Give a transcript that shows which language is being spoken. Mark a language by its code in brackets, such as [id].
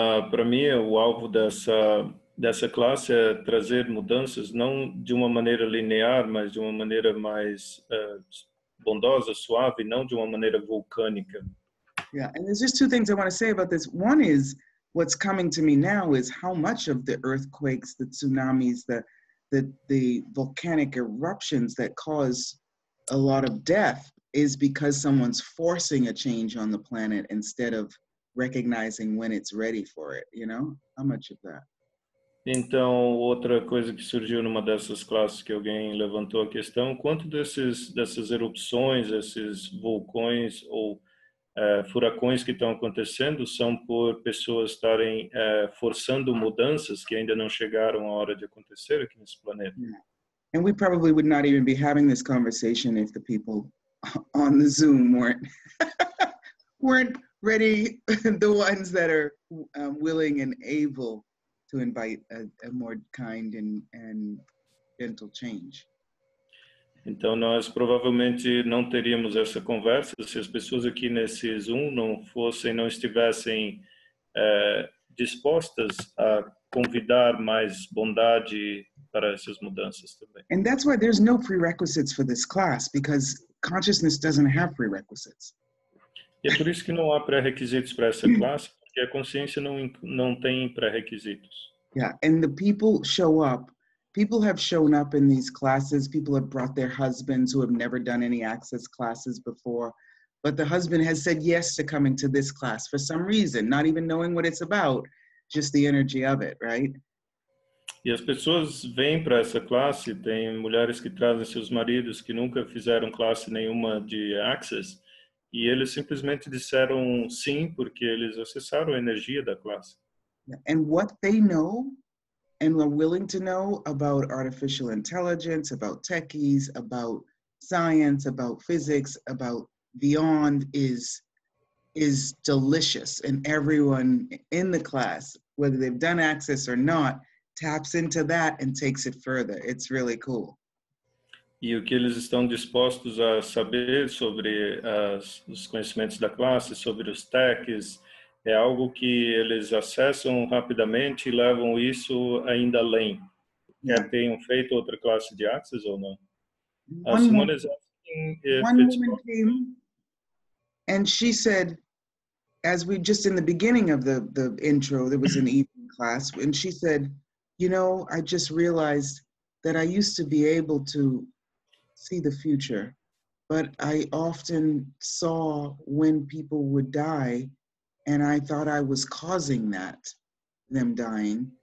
[pt] Para mim, o alvo dessa classe é trazer mudanças, não de uma maneira linear, mas de uma maneira mais bondosa, suave, não de uma maneira vulcânica. [en] Yeah, and there's just two things I want to say about this. One is, what's coming to me now is how much of the earthquakes, the tsunamis, the volcanic eruptions that cause a lot of death is because someone's forcing a change on the planet instead of recognizing when it's ready for it, you know? How much of that? [pt] Então, outra coisa que surgiu numa dessas classes que alguém levantou a questão, quanto dessas erupções, esses vulcões ou furacões que estão acontecendo são por pessoas estarem forçando mudanças que ainda não chegaram a hora de acontecer aqui nesse planeta. [en] Yeah. And we probably would not even be having this conversation if the people on the Zoom weren't ready, the ones that are willing and able to invite a more kind and gentle change. [pt] Então nós provavelmente não teríamos essa conversa se as pessoas aqui nesse Zoom não estivessem dispostas a convidar mais bondade para essas mudanças também. [en] And that's why there's no prerequisites for this class, because consciousness doesn't have prerequisites. [pt] E é por isso que não há pré-requisitos para essa classe, porque a consciência não tem pré-requisitos. [en] Yeah, and the people show up. People have shown up in these classes. People have brought their husbands who have never done any access classes before. But the husband has said yes to coming to this class for some reason, not even knowing what it's about, just the energy of it, right? [pt] E as pessoas vêm para essa classe, tem mulheres que trazem seus maridos que nunca fizeram classe nenhuma de access. E eles simplesmente disseram sim, porque eles acessaram a energia da classe. [en] And what they know and are willing to know about artificial intelligence, about techies, about science, about physics, about beyond is delicious. And everyone in the class, whether they've done access or not, taps into that and takes it further. It's really cool. [pt] E o que eles estão dispostos a saber sobre os conhecimentos da classe, sobre os techies, é algo que eles acessam rapidamente e levam isso ainda além. Yeah. Quer tenham feito outra classe de access ou não? [en] One woman came and she said, as we just in the beginning of the intro, there was an evening class, and she said, you know, I just realized that I used to be able to see the future, but I often saw when people would die, and I thought I was causing that, them dying.